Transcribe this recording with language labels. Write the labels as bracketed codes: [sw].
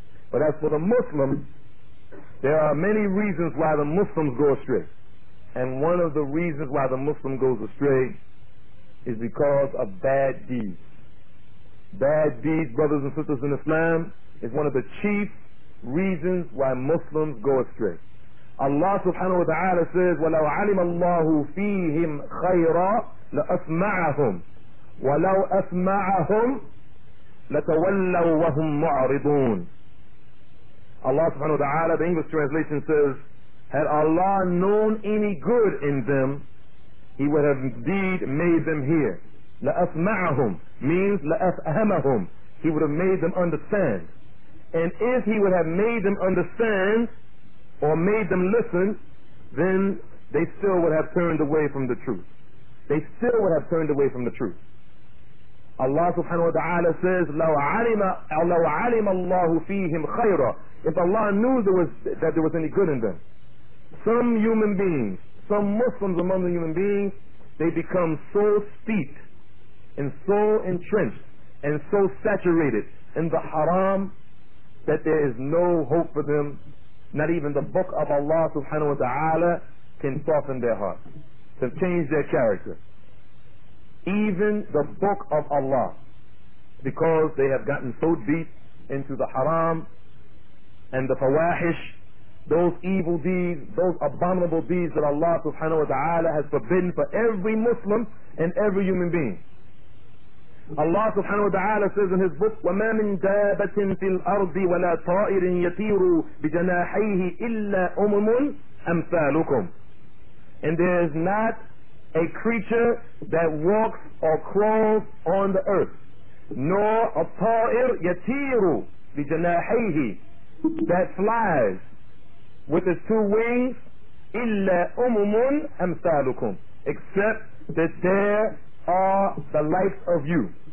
[en] But as for the Muslims, there are many reasons why the Muslims go astray. And one of the reasons why the Muslim goes astray is because of bad deeds. Bad deeds, brothers and sisters in Islam, is one of the chief reasons why Muslims go astray. Allah subhanahu wa ta'ala says, [ar] وَلَوْ عَلِمَ اللَّهُ فِيهِمْ خَيْرًا لَأَسْمَعَهُمْ وَلَوْ أَسْمَعَهُمْ لَتَوَلَّوْا وَهُمْ مُعْرِضُونَ. [en] Allah subhanahu wa ta'ala, the English translation says, had Allah known any good in them, He would have indeed made them hear. [ar] لَأَسْمَعَهُمْ [en] means [ar] لَأَفْهَمَهُمْ. [en] He would have made them understand. And if He would have made them understand or made them listen, then they still would have turned away from the truth. They still would have turned away from the truth. Allah subhanahu wa ta'ala says, [ar] لَوْ عَلِمَ اللَّهُ فِيهِمْ خَيْرًا. [en] If Allah knew that there was any good in them. Some human beings, some Muslims among the human beings, they become so steeped and so entrenched and so saturated in the haram that there is no hope for them. Not even the book of Allah subhanahu wa ta'ala can soften their heart, can change their character. Even the book of Allah, because they have gotten so deep into the haram and the fawahish, those evil deeds, those abominable deeds that Allah subhanahu wa ta'ala has forbidden for every Muslim and every human being. Allah subhanahu wa ta'ala says in His book, [ar] وَمَا مِن دَابَةٍ فِي الْأَرْضِ وَلَا طَائِرٍ يَطِيرُ بِجَنَاحَيْهِ إِلَّا أُمَمٌ أَمْثَالُكُمْ. [en] And there is not a creature that walks or crawls on the earth, nor a [ar] ta'ir yatiru bijanahihi, [en] that flies with its two wings, [ar] illa umumun amthalukum, [en] except that there are the likes of you.